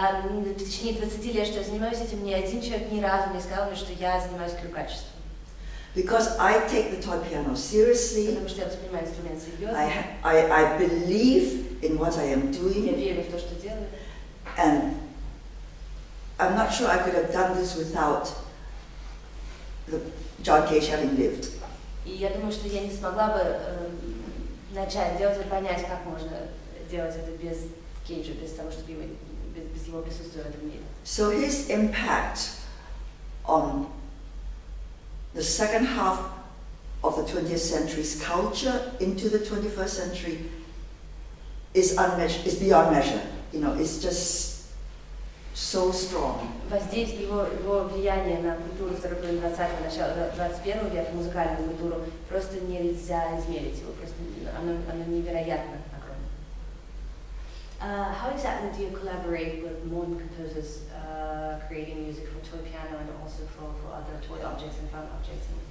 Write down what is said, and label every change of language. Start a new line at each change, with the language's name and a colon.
Russian: В течение 20 лет, что я занимаюсь этим, ни один человек ни разу не сказал мне, что я занимаюсь крюкачеством.
English: Because I take the toy piano seriously.
Russian: Потому что я воспринимаю инструмент серьезно.
English: I believe in what I am doing.
Russian: Я верю в то, что делаю.
English: And I'm not sure I could have done this without John Cage having lived.
Russian: И я думаю, что я не смогла бы начать делать и понять, как можно делать это без Кейджа, без того, чтобы его, без его присутствия в этом мире.
English: So his impact on the second half of the 20th century's culture into the 21st century is unmeasured, is beyond measure. You know, it's just so strong.
Russian: Воздействие его влияния на культуру второй половины 20-го, начала 21-го века, музыкальную культуру, просто нельзя измерить его, просто оно невероятно огромное.
English: How exactly do you collaborate with modern composers creating music for toy piano and also for other toy objects and fun objects?